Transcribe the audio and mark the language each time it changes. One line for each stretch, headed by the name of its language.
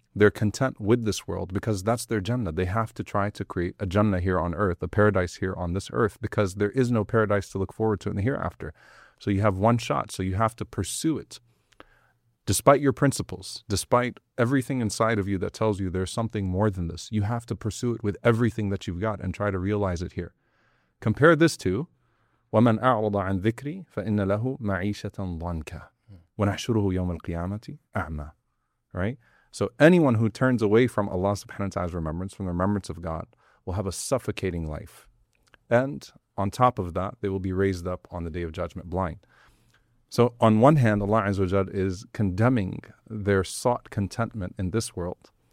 English: They're content with this world because that's their Jannah. They have to try to create a Jannah here on earth, a paradise here on this earth, because there is no paradise to look forward to in the hereafter. So you have one shot, so you have to pursue it. Despite your principles, despite everything inside of you that tells you there's something more than this, you have to pursue it with everything that you've got and try to realize it here. Compare this to,
Arabic: وَمَنْ أَعْرَضَ عَنْ ذِكْرِي فَإِنَّ لَهُ مَعِيشَةً ضَنْكَ وَنَحْشُرُهُ يَوْمَ الْقِيَامَةِ أَعْمَى.
English: Right? So anyone who turns away from Allah subhanahu wa ta'ala's remembrance, from the remembrance of God, will have a suffocating life. And on top of that, they will be raised up on the Day of Judgment blind. So on one hand, Allah Azza wa Jalla is condemning their sought contentment in this world.